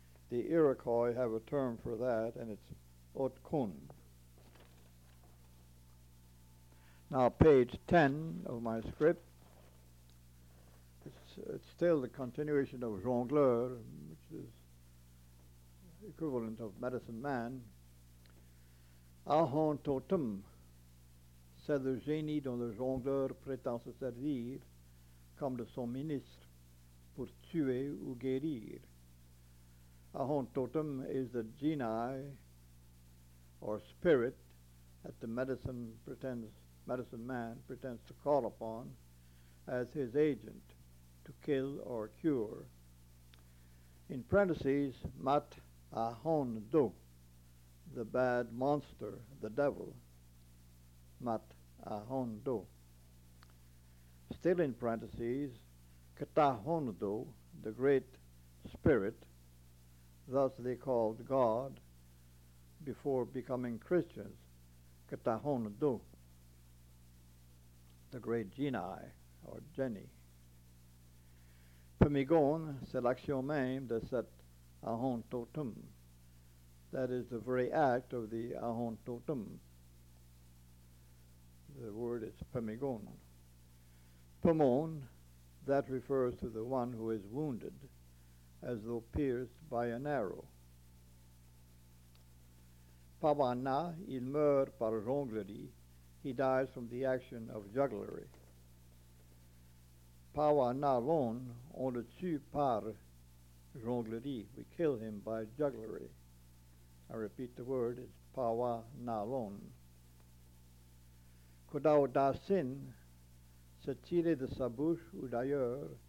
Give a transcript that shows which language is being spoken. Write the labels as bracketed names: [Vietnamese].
[English] The Iroquois have a term for that, and it's otkon. Now, page 10 of my script. It's still the continuation of jongleur, which is equivalent of medicine man. [French] Ahon totem, c'est le génie dont le jongleur prétend se servir comme de son ministre pour tuer ou guérir. [English] Ahon totem is the genie or spirit that the medicine man pretends to call upon as his agent to kill or cure. In parentheses, mat ahon do, the bad monster, the devil. Mat ahon do. Still in parentheses, katahon do, the great spirit, thus they called God before becoming Christians. Katahon do, the great genie or jenny. [French] Pemigon, c'est l'action même de cet ahon totem. [English] That is the very act of the ahon totem. The word is pemigon. Pemon, that refers to the one who is wounded, as though pierced by an arrow. Pavana, [French] il meurt par jonglerie. [English] He dies from the action of jugglery. [French] Pawa na lon, on le tue par jonglerie. [English] We kill him by jugglery. I repeat the word, it's pawa na lon. [French] Kodao da sin, se tire de sa bouche ou d'ailleurs,